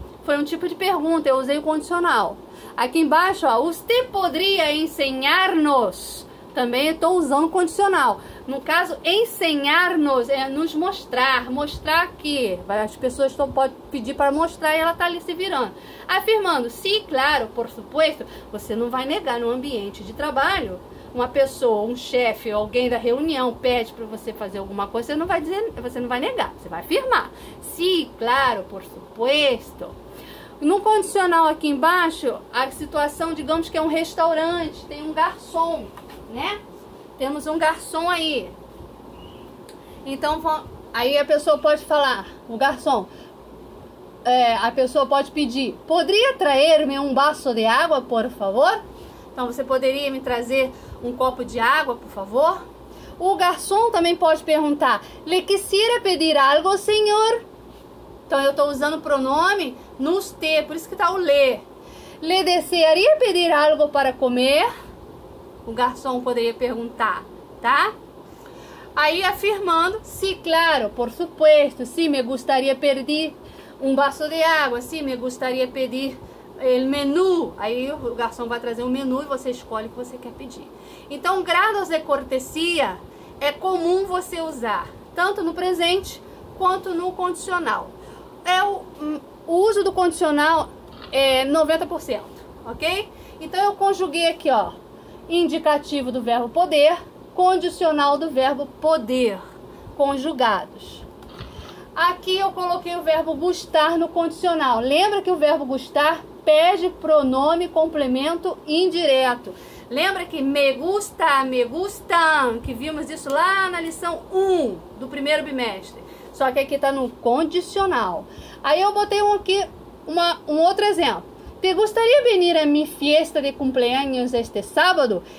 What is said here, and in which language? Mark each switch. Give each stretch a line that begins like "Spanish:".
Portuguese: Foi um tipo de pergunta. Eu usei o condicional. Aqui embaixo, ó, usted poderia ensinar-nos. Também estou usando o condicional. No caso, ensinar-nos é nos mostrar. Mostrar que as pessoas podem pedir para mostrar e ela está ali se virando. Afirmando, sim, claro,
Spanish: por supuesto.
Portuguese: Você não vai negar no ambiente de trabalho. Uma pessoa, um chefe, alguém da reunião pede para você fazer alguma coisa, você não vai dizer, você não vai negar. Você vai afirmar. Sim, claro,
Spanish: por supuesto.
Portuguese: No condicional aqui embaixo, a situação, digamos que é um restaurante, tem um garçom. Né? Temos um garçom aí. Então, aí a pessoa pode falar, o garçom, a pessoa pode pedir, poderia trazer-me um vaso de água, por favor? Então, você poderia me trazer um copo de água, por favor? O garçom também pode perguntar,
Spanish: le quisiera pedir algo,
Portuguese: senhor? Então, eu estou usando o pronome no usted, por isso que está o le.
Spanish: Le desearía pedir algo para comer?
Portuguese: O garçom poderia perguntar, tá? Aí afirmando, sim, claro,
Spanish: por supuesto,
Portuguese: sim,
Spanish: me gustaría pedir
Portuguese: um vaso de água, sim,
Spanish: me gustaría pedir el menú.
Portuguese: Aí o garçom vai trazer um menu e você escolhe o que você quer pedir. Então, grados de cortesia é comum você usar, tanto no presente quanto no condicional. É o uso do condicional é 90%, ok? Então, eu conjuguei aqui, ó. Indicativo do verbo poder, condicional do verbo poder, conjugados. Aqui eu coloquei o verbo gustar no condicional. Lembra que o verbo gustar pede pronome complemento indireto. Lembra que
Spanish: me gusta, me gustan,
Portuguese: que vimos isso lá na lição 1 do primeiro bimestre. Só que aqui está no condicional. Aí eu botei um outro exemplo.
Spanish: Te gustaría venir a mi fiesta de cumpleaños este sábado?